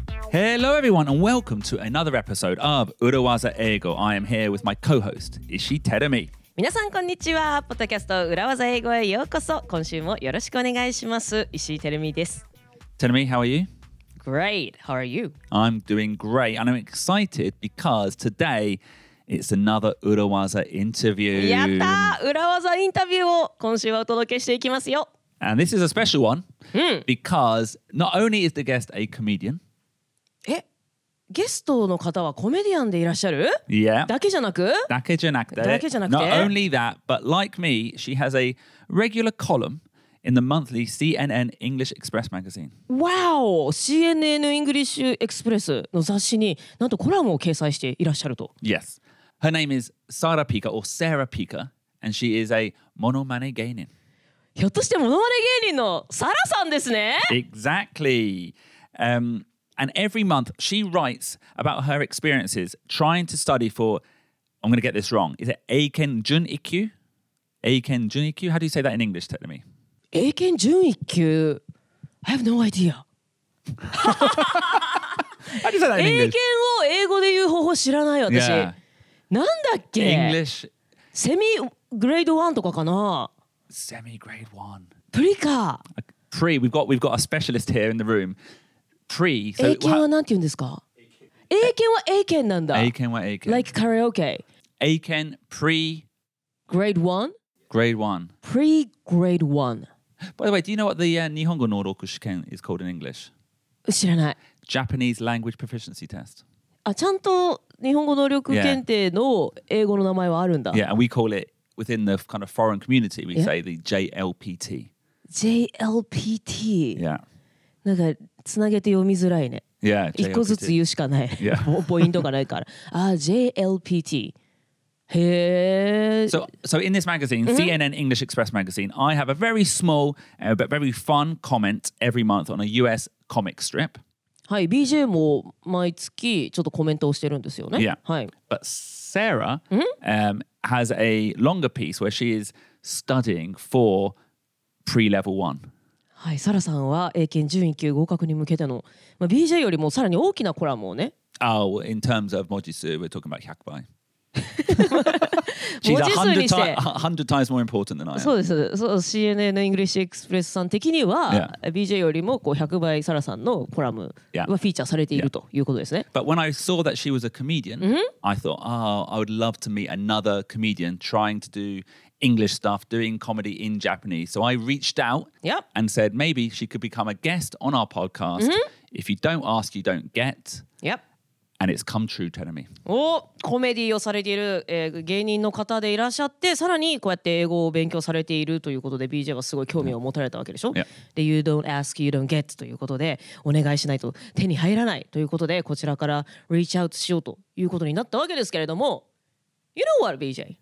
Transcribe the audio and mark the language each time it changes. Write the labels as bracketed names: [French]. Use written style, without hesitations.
[English] Hello everyone and welcome to another episode of Urawaza Eigo. I am here with my co-host, Ishii Terumi. [Japanese] 皆さんこんにちは。ポッドキャスト裏技英語へようこそ。今週もよろしくお願いします。 Ishii Terumiです。 [English] Terumi, how are you? Great. How are you? I'm doing great and I'm excited because today it's another Urawaza interview. [Japanese] やった! 裏技インタビューを今週はお届けしていきますよ。 [English] And this is a special one because not only is the guest a comedian, [Japanese] ゲストの方はコメディアンでいらっしゃる、 [English] yeah. [Japanese] だけじゃなくだけじゃなくて、だけじゃなくて [English] Not only that, but like me, she has a regular column in the monthly CNN English Express magazine. [Japanese] Wow! CNN English Express の雑誌になんとコラムを掲載していらっしゃると。 [English] Yes. Her name is Sara Pika or Sarah Pika, and she is a monomane 芸人。 [Japanese] ひょっとしてモノマネ芸人のサラさんですね [English] Exactly! And every month, she writes about her experiences trying to study for, I'm going to get this wrong, is it Eiken Jun-ikkyu? Eiken Jun-ikkyu? How do you say that in English, Terumi? Eiken Jun-ikkyu? I have no idea. How do you say that in English? [Japanese] Eiken を英語で言う方法知らない私。Yeah. なんだっけ? [English] English. [Japanese] Semi-grade one とかかな? [English] Semi-grade one. [Japanese] Pre か? [English] Pre. We've got a specialist here in the room. Pre, [Japanese] so, 英検はなんて言うんですか英検は英検なんだ英検は英検 [English] Like karaoke [Japanese] 英検 pre [English] Grade 1? Grade 1 Pre grade 1 By the way, do you know what the 日本語能力試験 is called in English? [Japanese] 知らない [English] Japanese language proficiency test [Japanese] あ、ちゃんと日本語能力検定の英語の名前はあるんだ [English] Yeah, and we call it within the kind of foreign community we say the JLPT JLPT Yeah [Japanese] なんかつなげて読みづらいね。 [English] Yeah, [Japanese] 一個ずつ言うしかない。 [English] Yeah. [Japanese] ポイントがないから。あ、JLPT。へえ。 [English] So in this magazine,、mm-hmm. CNN English Express magazine, I have a very small、but very fun comment every month on a US comic strip. [Japanese] はい、BJ も毎月ちょっとコメントをしてるんですよね。 [English] Yeah. [Japanese] はい。 [English] But Sarah、mm-hmm. Has a longer piece where she is studying for pre-level one. [Japanese] はい、サラさんは英検準1級合格に向けての、まあ、BJ よりもさらに大きなコラムをね。 [English] Oh, in terms of 文字数, we're talking about 100倍。 She's 100 times more important than I am. [Japanese] そうです。そう、CNN English Express さん的には、 [English] yeah. [Japanese] BJ よりもこう100倍サラさんのコラムはフィーチャーされている、 [English] yeah. [Japanese] ということですね。 [English] But when I saw that she was a comedian,、mm-hmm. I thought, oh, I would love to meet another comedian trying to do... English stuff, doing comedy in Japanese. So I reached out、 yep. and said maybe she could become a guest on our podcast.、Mm-hmm. If you don't ask, you don't get. Yep. And it's come true, Terumi. [Japanese] Oh, comedy をされている、芸人の方でいらっしゃって、さらにこうやって英語を勉強されているということで、BJ はすごい興味を持たれたわけでしょ。 [English] Yep. [Japanese] で、 [English] you don't ask, you don't get [Japanese] ということで、お願いしないと手に入らないということで、こちらから reach out しようということになったわけですけれども、 [English] You know what, BJ?